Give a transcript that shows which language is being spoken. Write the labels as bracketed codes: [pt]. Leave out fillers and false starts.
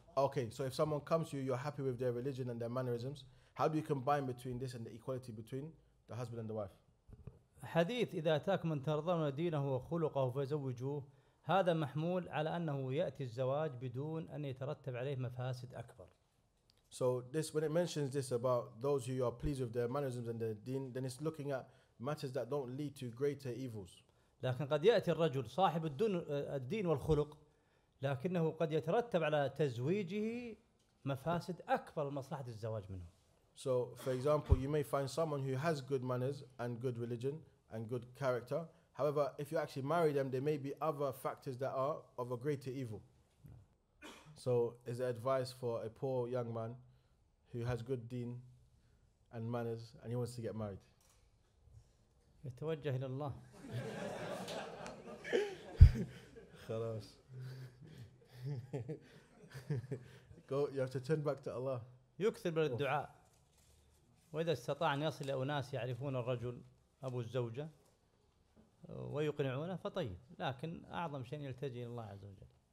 [en] Okay, so if someone comes to you, you're happy with their religion and their mannerisms, how do you combine between this and the equality between the husband and the wife? [ar] حديث إذا أتاك من ترضون دينه وخلقه فزوجوه هذا محمول على أنه يأتي الزواج بدون أن يترتب عليه مفاسد أكبر. [en] So this, when it mentions this about those who you are pleased with their mannerisms and their deen, then it's looking at matters that don't lead to greater evils. [ar] لكن قد يأتي الرجل صاحب الدين والخلق لكنه قد يترتب على تزويجه مفاسد أكبر لمصلحة الزواج منه. [en] So, for example, you may find someone who has good manners and good religion and good character. However, if you actually marry them, there may be other factors that are of a greater evil. So, is there advice for a poor young man who has good deen and manners and he wants to get married? [ar] يتوجه إلى الله. خلاص. [en] Go, you have to turn back to Allah. [ar] يكثر بالدعاء. وإذا استطاع أن يصل إلى أناس يعرفون الرجل أبو الزوجة ويقنعونه فطيب، لكن أعظم شيء يلتجي إلى الله عز وجل.